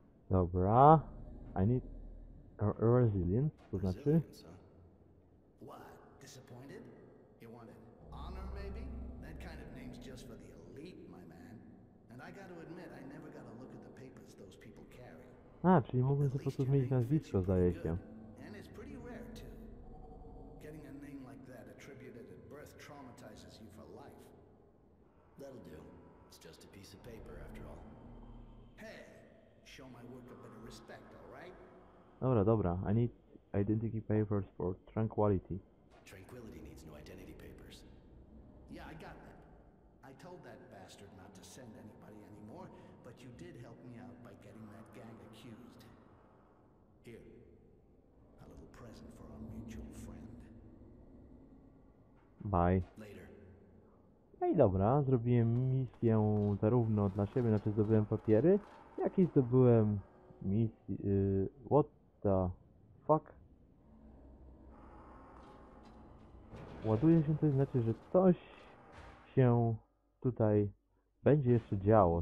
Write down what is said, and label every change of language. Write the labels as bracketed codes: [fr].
[pl] Dobra, [en] I need resilience, [pl] to znaczy. [en] What? Disappointed? You wanted honor, maybe? That kind of name's just for the elite, my man. And I gotta admit, I never got a look at the papers those people carry. [pl] A, czyli mogłem po prostu zmienić nazwisko, zdaje się. [en] And it's pretty rare, too. Getting a name like that attributed at birth traumatizes you for life. That'll do. It's just a piece of paper, after all. Hey! Show my work a bit of respect, all right? [pl] Dobra, dobra. [en] I need identity papers for Tranquility. Tranquility needs no identity papers. Yeah, I got that. I told that bastard not to send anybody anymore, but you did help me out by getting that gang accused. Here. A little present for our mutual friend. Bye. Later. [pl] No i dobra, zrobiłem misję zarówno dla siebie, znaczy zdobyłem papiery. Jaki zdobyłem misję... [en] what the fuck? [pl] Ładuje się, to znaczy, że coś się tutaj będzie jeszcze działo.